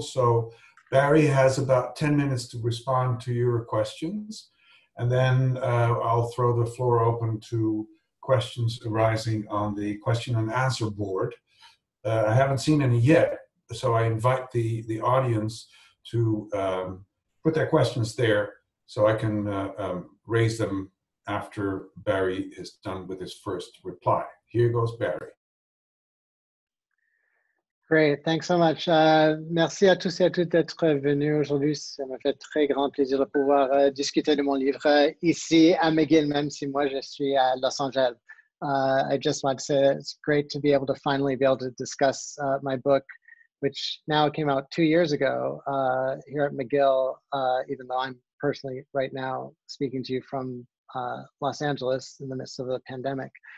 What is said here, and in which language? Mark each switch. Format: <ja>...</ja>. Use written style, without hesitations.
<en>So Barry has about 10 minutes to respond to your questions, and then I'll throw the floor open to questions arising on the question and answer board. I haven't seen any yet, so I invite the audience to put their questions there so I can raise them after Barry is done with his first reply. Here goes Barry. Great, thanks so much.</en> <fr>Merci à tous et à toutes d'être venus aujourd'hui. Ça me fait très grand plaisir de pouvoir discuter de mon livre ici à McGill, même si moi je suis à Los Angeles.</fr> <en>I just want to say it's great to be able to finally be able to discuss my book, which now came out 2 years ago here at McGill, even though I'm personally right now speaking to you from Los Angeles in the midst of the pandemic.</en>